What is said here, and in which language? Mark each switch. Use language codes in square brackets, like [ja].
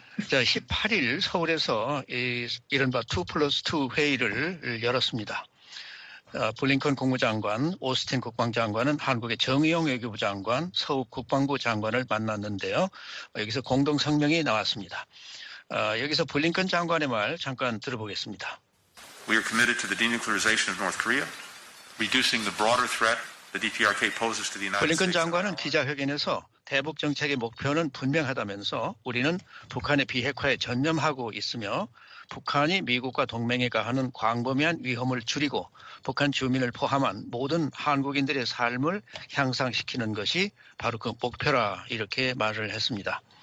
[ko] 자, 18일 서울에서 이른바 2 플러스 2 회의를 열었습니다. 블링컨 국무장관, 오스틴 국방장관은 한국의 정의용 외교부 장관, 서욱 국방부 장관을 만났는데요. 여기서 공동성명이 나왔습니다. 여기서 블링컨 장관의 말 잠깐 들어보겠습니다. [en] We are committed to the denuclearization of North Korea, reducing the broader threat the DPRK poses to the United States. [ko] 블링컨 장관은 기자회견에서 대북 정책의 목표는 분명하다면서 우리는 북한의 비핵화에 전념하고 있으며 북한이 미국과 동맹에 가하는 광범위한 위험을 줄이고 북한 주민을 포함한 모든 한국인들의 삶을 향상시키는 것이 바로 그 목표라 이렇게 말을 했습니다.